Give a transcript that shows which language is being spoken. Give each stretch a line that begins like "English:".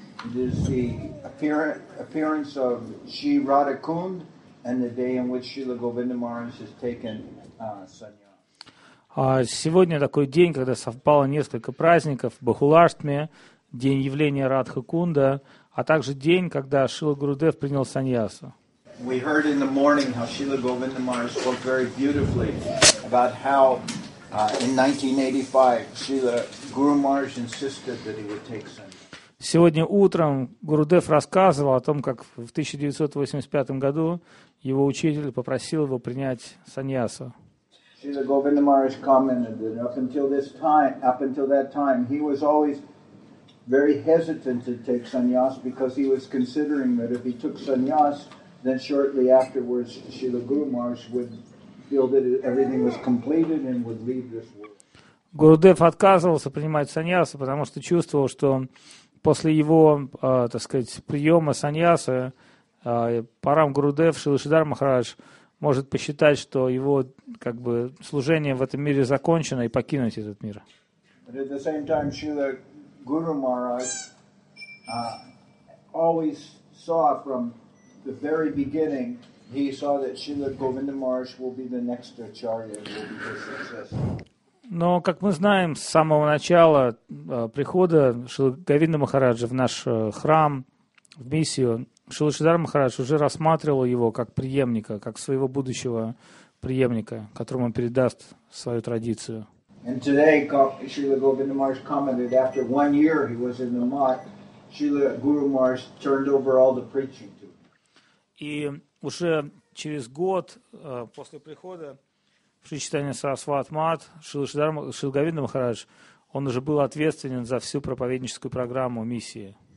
English: It is the appearance of Shri Radha Kund and the day in which Shrila Govinda Maharaj has taken sannyasa.
Russian: Сегодня такой день, когда совпало несколько праздников: Бахуларштми, день явления Радха Кунда, а также день, когда Шрила Гурудев принял саньясу.
English: We heard in the morning how Shrila Govinda Maharaj spoke very beautifully about how in 1985 Shrila Guru Maharaj insisted that he would take sannyasa.
Russian: Сегодня утром Гурудев рассказывал о том, как в 1985 году его учитель попросил его принять саньясу.
English: Shrila Govinda Maharaj commented that up until that time, he was always very hesitant to take sannyas because he was considering that if he took sannyas, then shortly afterwards Shrila Guru Maharaj would feel that everything was completed and would leave this world.
Russian: Гурудев отказывался принимать саньясу, потому что чувствовал, что после его, так сказать, приема саньясы, Парам Гурудев, Шрила Шридхара Махарадж может посчитать, что его, как бы, служение в этом мире закончено, и покинуть этот мир.
English: But at the same time, Shrila Guru Maharaj always saw from the very beginning, he saw that Shrila Govinda Maharaj will be the next acharya, will be his successor.
Russian: Но, как мы знаем, с самого начала прихода Шрила Говинда Махараджа в наш храм, в миссию, Шрила Шридхара Махарадж уже рассматривал его как преемника, как своего будущего преемника, которому он передаст свою традицию.
English: And today Shrila Govinda Maharaj commented after one year he was in the mat, Shrila Guru Maharaj turned over all the preaching to him.
Russian: И уже через год после прихода в Шри Чайтанья Сарасват Мат Шрила Говинда Махарадж, он уже был ответственен за всю проповедническую программу миссии.